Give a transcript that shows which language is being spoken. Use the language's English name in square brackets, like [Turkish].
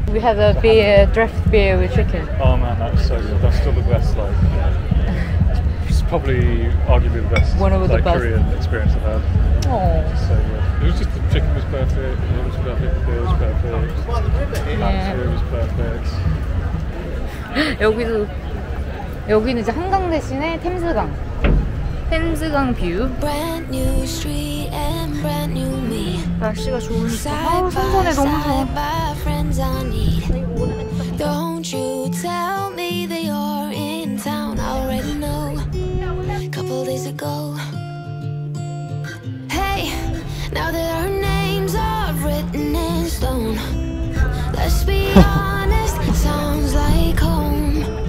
[English] We have a beer, draft beer with chicken. Oh man, that's so good. That's still the best, like, it's probably arguably the best, one of the like, best. Korean experience I've had. Aww. So good. It was just, the chicken was perfect, the meat was perfect, the beer was perfect. Yeah. Atmosphere was perfect. [Korean] 여기도, 여기는 이제 한강 대신에 템즈강. 템즈강 뷰. [English] Brand new street and brand new me. [Korean] 날씨가 좋으니까 선선해 너무 좋아. [English] Friends I need. Don't you tell me that you're in town. I already know. Couple days ago. Hey, now that our names are written in stone. Let's be honest. Sounds like home.